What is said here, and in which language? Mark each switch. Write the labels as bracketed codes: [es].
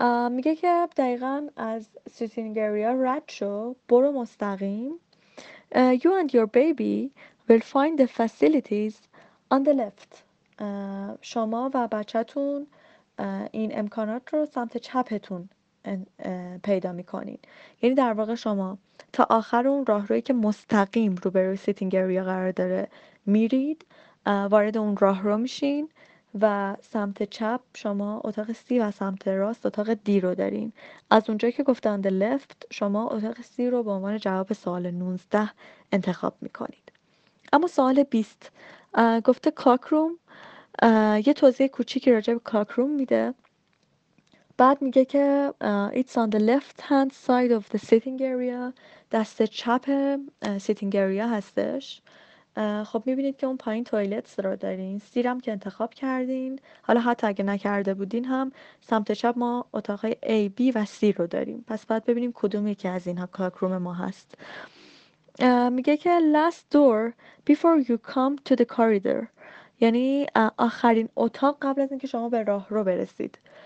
[fa] میگه که دقیقا از sitting area رد شو، برو مستقیم. [en] You and your baby will find the facilities on the left. [fa] شما و بچه‌تون این امکانات رو سمت چپتون پیدا می‌کنین. یعنی در واقع شما تا آخر اون راهرویی که مستقیم روبروی سیتینگ اریا قرار داره میرید، وارد اون راهرو میشین و سمت چپ شما اتاق سی و سمت راست اتاق دی رو دارین. از اونجایی که گفتم [en] on the left، [fa] شما اتاق سی رو به عنوان جواب سوال 19 انتخاب می‌کنید. اما سوال 20 گفته کلاک روم، یه توضیح کوچیکی راجع به کلاک روم میده. بعد میگه که [en] it's on the left hand side of the sitting area، [fa] دست چپ [en] sitting area [fa] هستش. خب میبینید که اون پایین تویلت رو دارین، سیرم که انتخاب کردین. حالا حتی اگه نکرده بودین هم سمت چپ ما اتاق A, B و C رو داریم، پس باید ببینیم کدوم یکی از اینها کلاک روم ما هست. میگه که [en] last door before you come to the corridor، [fa] یعنی آخرین اتاق قبل از اینکه شما به راه رو برسید.